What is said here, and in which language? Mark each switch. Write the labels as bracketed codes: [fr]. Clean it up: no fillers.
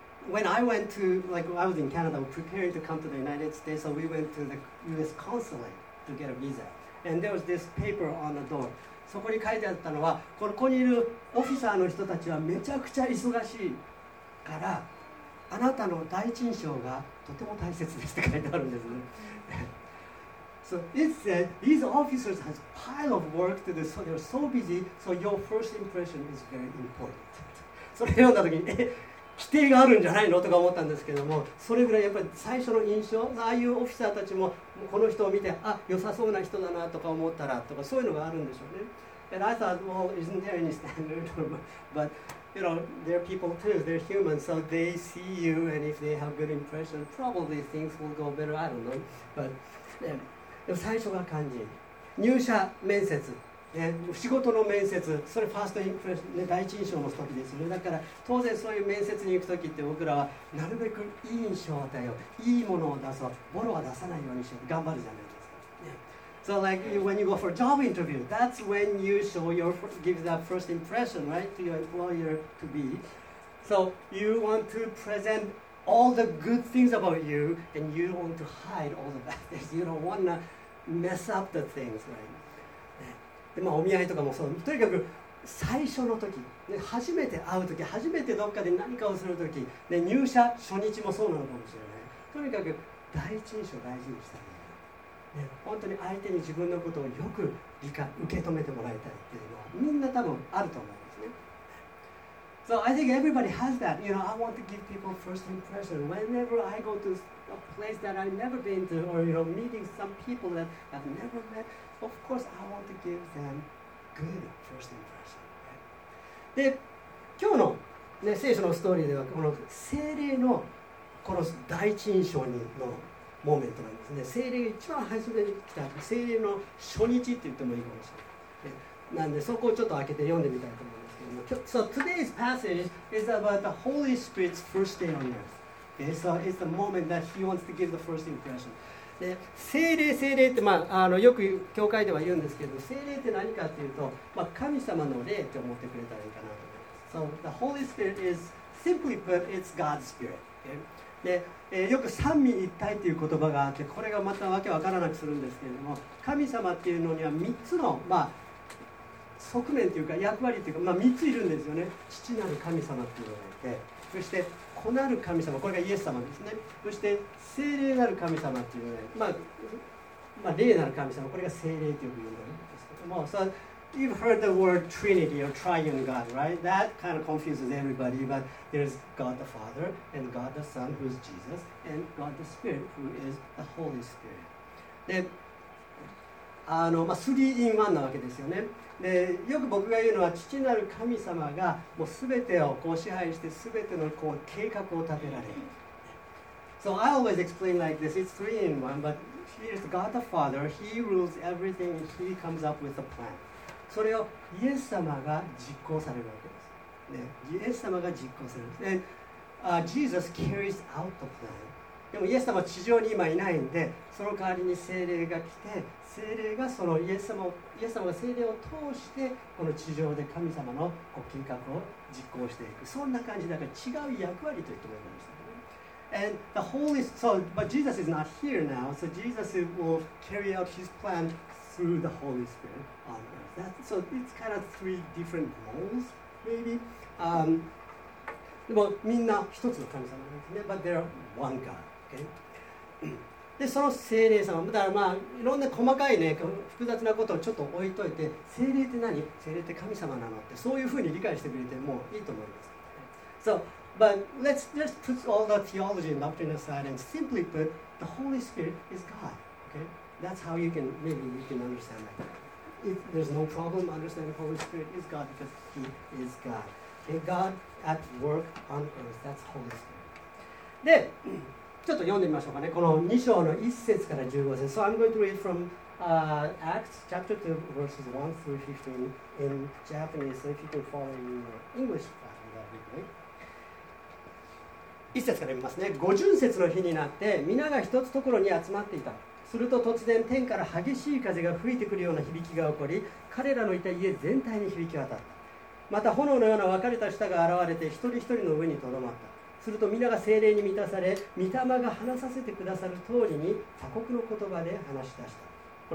[en] When I went to, like, I was in Canada, preparing to come to the United States, so we went to the U.S. consulate to get a visa. And there was this paper on the door. [ja] そこに書いてあったのは、ここにいるオフィサーの人たちはめちゃくちゃ忙しいから、あなたの第一印象がとても大切ですって書いてあるんですね。 [en] So it said, these officers have a pile of work to do, so they're so busy, so your first impression is very important. [ja] それ読んだときに、規定があるんじゃないのとか思ったんですけども、それぐらいやっぱり最初の印象、ああいうオフィサーたちもこの人を見て、あ、良さそうな人だなとか思ったらとか、そういうのがあるんでしょうね。 [en] And I thought, well, isn't there any standard? But, you know, they're people too, they're human, so they see you, and if they have good impression, probably things will go better, I don't know. But, yeah. [ja] でも最初が肝心、入社面接、仕事の面接、それファーストインプレッション、第一印象の時ですね。だから当然そういう面接に行く時って、僕らはなるべくいい印象を与えよう、いいものを出そう、ボロは出さないようにしよう、頑張るじゃないですか、yeah. [en] So like when you go for a job interview, that's when you show your, give that first impression, right, to your employer to be. So you want to present all the good things about you, and you don't want to hide all the bad things. You don't want to mess up the things, right? [ja] でまあ、お見合いとかもそう、とにかく最初の時、ね、初めて会う時、初めてどっかで何かをする時、ね、入社初日もそうなのかもしれない。とにかく第一印象を大事にしたい、ね、本当に相手に自分のことをよく理解、受け止めてもらいたいっていうのはみんな多分あると思うんですね。 [en] So I think everybody has that. You know, I want to give people first impression. Whenever I go to a place that I've never been to, or you know, meeting some people that I've never metOf course, I want to give them good first impression.、Right? [ja] で、今日の、ね、聖書のストーリーでは、この聖霊のこの第一印象のモーメントなんですね。聖霊が一番初めに来た、聖霊の初日って言ってもいいかもしれない。なんで、そこをちょっと開けて読んでみたいと思うんですけども。 [en] So today's passage is about the Holy Spirit's first day on earth. Okay, so it's the moment that he wants to give the first impression. [ja] で、聖霊、聖霊って、まあ、よく教会では言うんですけど、聖霊って何かっていうと、まあ、神様の霊って思ってくれたらいいかなと思います。 [en] So, the Holy Spirit is, simply put, it's God's Spirit. [ja] Okay? で、よく三位一体っていう言葉があって、これがまたわけわからなくするんですけれども、神様っていうのには三つの、まあ、側面というか役割というか、まあ、三ついるんですよね。父なる神様っていうのがいて、そして、子なる神様、これがイエス様ですね。そして聖霊なる神様っていうね、まあ霊なる神様、これが聖霊というふうに言うんですけども、 [en] So you've heard the word Trinity or Triune God, right? That kind of confuses everybody, but there's God the Father and God the Son, who's Jesus, and God the Spirit, who is the Holy Spirit. [ja] で、まあ、3 in 1なわけですよね。でよく僕が言うのは、父なる神様がもう全てをこう支配して、全てのこう計画を立てられる、 [en] So I always explain like this, it's three in one, but here's God the Father, He rules everything, and He comes up with a plan. [ja] それをイエス様が実行されるわけです。ね、イエス様が実行される。 [en] で、Jesus carries out the plan. [ja] でもイエス様は地上に今いないんで、その代わりに聖霊が来て、聖霊がそのイエス様が聖霊を通して、この地上で神様の計画を実行していく。そんな感じだから違う役割と言ってもらいました。 [en] And the Holy Spirit, but Jesus is not here now, so Jesus will carry out His plan through the Holy Spirit on earth. So it's kind of three different roles, maybe. [ja] でもみんな一つの神様なんですね、 [en] but they're one God, okay? [ja] で、その聖霊様、だからまあ、いろんな細かいね、複雑なことをちょっと置いといて、聖霊って何？聖霊って神様なのって、そういうふうに理解してくれてもいいと思います。 [en] So,But let's just put all the theology and doctrine aside and simply put, the Holy Spirit is God. Okay? That's how you can, maybe you can understand that. If there's no problem understanding the Holy Spirit is God because He is God. Okay? God at work on earth. That's Holy Spirit. [ja] で、ちょっと読んでみましょうかね。この2章の1節から15節。 [en] So I'm going to read from、Acts chapter 2 verses 1 through 15 in Japanese. So if you can follow in your English version, that would be great. [ja] 1節から読みますね。五旬節の日になって、皆が一つところに集まっていた。すると突然、天から激しい風が吹いてくるような響きが起こり、彼らのいた家全体に響き渡った。また炎のような分かれた舌が現れて、一人一人の上にとどまった。すると皆が聖霊に満たされ、御霊が話させてくださる通りに、他国の言葉で話し出した。